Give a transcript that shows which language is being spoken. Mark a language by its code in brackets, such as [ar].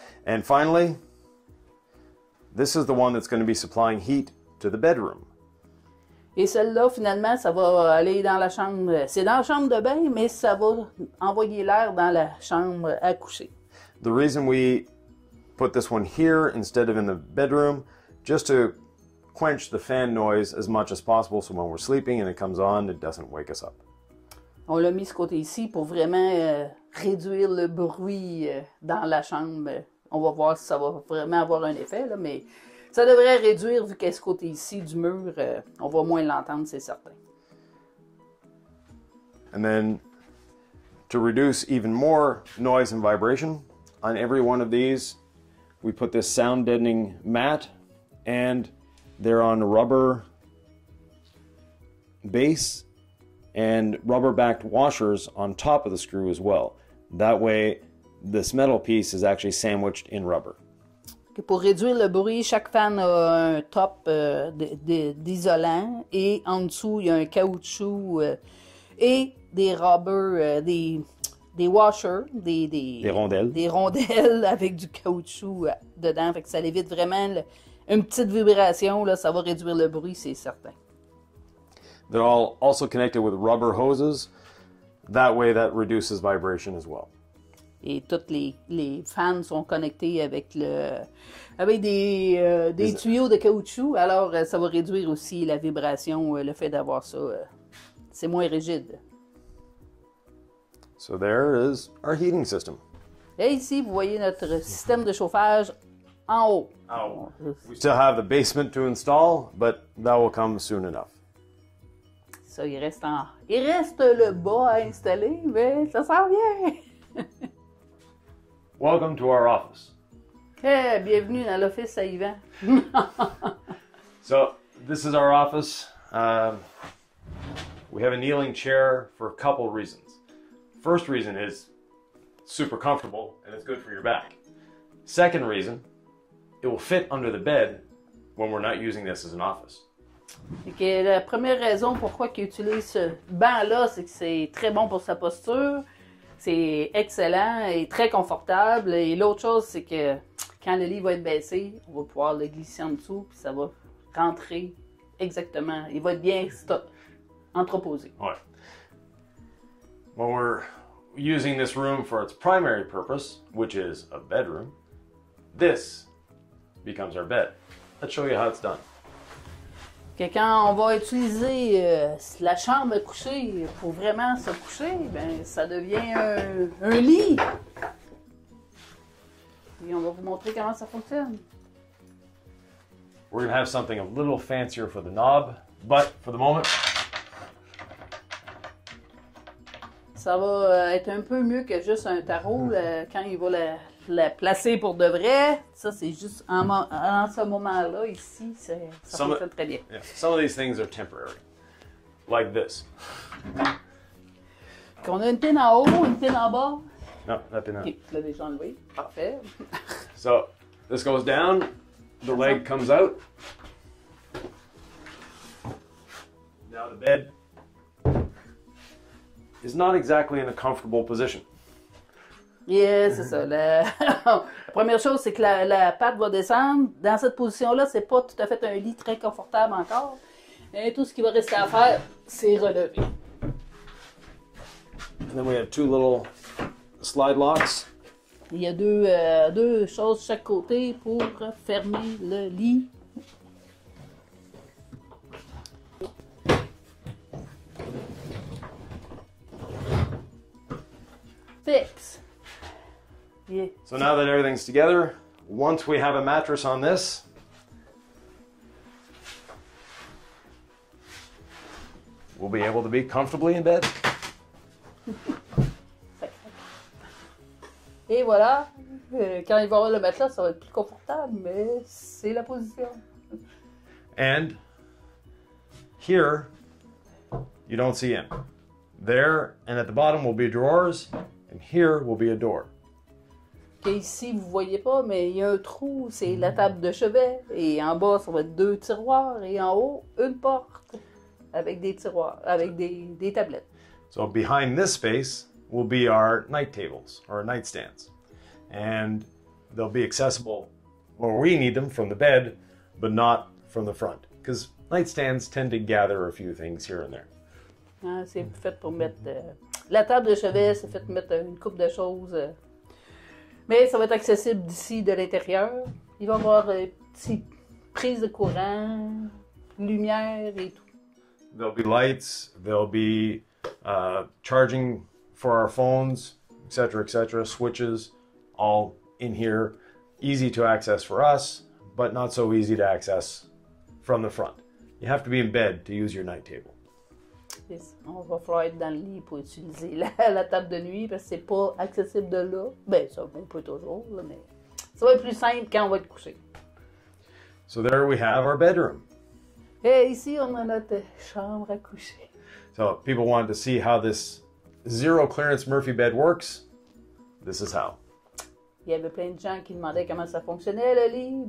[en] And finally, this is the one that's going to be supplying heat to the bedroom. [fr] Et celle-là, finalement, ça va aller dans la chambre. C'est dans la chambre de bain, mais ça va envoyer l'air dans la chambre à coucher. [en] The reason we put this one here instead of in the bedroom, just to quench the fan noise as much as possible, so when we're sleeping and it comes on, it doesn't wake us up. [fr] On l'a mis ce côté ici pour vraiment réduire le bruit dans la chambre. On va voir si ça va vraiment avoir un effet, là, mais ça devrait réduire vu qu'à ce côté ici du mur, on va moins l'entendre, c'est certain. [en] And then, to reduce even more noise and vibration, on every one of these, we put this sound deadening mat, and they're on rubber base, and rubber-backed washers on top of the screw as well. That way, this metal piece is actually sandwiched in rubber. [fr] Pour réduire le bruit, chaque fan a un top d'isolant et en dessous, il y a un caoutchouc et des rubber, des washers, des rondelles. Des rondelles avec du caoutchouc dedans. Fait que ça évite vraiment une petite vibration, là, ça va réduire le bruit, c'est certain. [en] They're all also connected with rubber hoses. That way, that reduces vibration as well. [fr] Et toutes les fans sont connectés avec des tuyaux de caoutchouc. Alors, ça va réduire aussi la vibration, le fait d'avoir ça. C'est moins rigide. [en] So there is our heating system. [fr] Et ici, vous voyez notre système de chauffage en haut. [en] We still have the basement to install, but that will come soon enough. [fr] Ça, il reste le bas à installer, mais ça s'en vient. [en] Welcome to our office. [fr] Hey, bienvenue dans l'office à Yvan. [en] So, this is our office. We have a kneeling chair for a couple reasons. First reason is super comfortable and it's good for your back. Second reason, it will fit under the bed when we're not using this as an office. [fr] Que la première raison pourquoi qu'il utilise ce banc-là, c'est que c'est très bon pour sa posture, c'est excellent et très confortable. Et l'autre chose, c'est que quand le lit va être baissé, on va pouvoir le glisser en dessous, puis ça va rentrer exactement. Il va être bien entreposé. Ouais. [en] When we're using this room for its primary purpose, which is a bedroom, this becomes our bed. Let's show you how it's done. [fr] Que quand on va utiliser la chambre à coucher pour vraiment se coucher, ben ça devient un lit. Et on va vous montrer comment ça fonctionne. [en] We're going to have something a little fancier for the knob, but for the moment... [fr] Ça va être un peu mieux que juste un tarot là, quand il va la placer pour de vrai. Ça, c'est juste en ce moment-là, ici, ça fonctionne très bien. [en] Yeah. Some of these things are temporary. Like this. [fr] Qu'on a une pin en haut, une pin en bas. Non, la pin en haut. Ok, tu l'as déjà enlevé. Parfait. [en] So, this goes down. The leg comes out. Now the bed is not exactly in a comfortable position. [fr] Yeah, c'est ça. Première chose, c'est que la patte va descendre. Dans cette position-là, c'est pas tout à fait un lit très confortable encore. Et tout ce qui va rester à faire, c'est relever. [en] And then we have two little slide locks. [fr] Il y a deux choses chaque côté pour fermer le lit. [en] Fix. Yeah. So now that everything's together, once we have a mattress on this, we'll be able to be comfortably in bed. [fr] Et voilà, quand il va avoir le matelas, ça va être plus confortable, mais c'est la position. [en] And here, you don't see in. There and at the bottom will be drawers, and here will be a door. [fr] Okay, ici, vous voyez pas, mais il y a un trou, c'est la table de chevet. Et en bas, ça va être deux tiroirs, et en haut, une porte avec des tiroirs, avec des tablettes. [en] So behind this space, will be our night tables or nightstands. And they'll be accessible where we need them from the bed, but not from the front. Because nightstands tend to gather a few things here and there. [fr] Ah, c'est fait pour mettre la table de chevet, c'est fait pour mettre une couple de choses. Mais ça va être accessible d'ici de l'intérieur. Il va y avoir une petite prise de courant, lumière et tout. [en] There'll be lights, there'll be charging for our phones, etc., switches, all in here. Easy to access for us, but not so easy to access from the front. You have to be in bed to use your night table. [fr] Yes, on va falloir être dans le lit pour utiliser la table de nuit parce que c'est pas accessible de là. Ben, ça, on peut toujours, mais ça va être plus simple quand on va être couché. [en] So there we have our bedroom. [fr] Et ici, on a notre chambre à coucher. [en] So people wanted to see how this zero clearance Murphy bed works. This is how. [fr] Il y avait plein de gens qui demandaient comment ça fonctionnait le lit.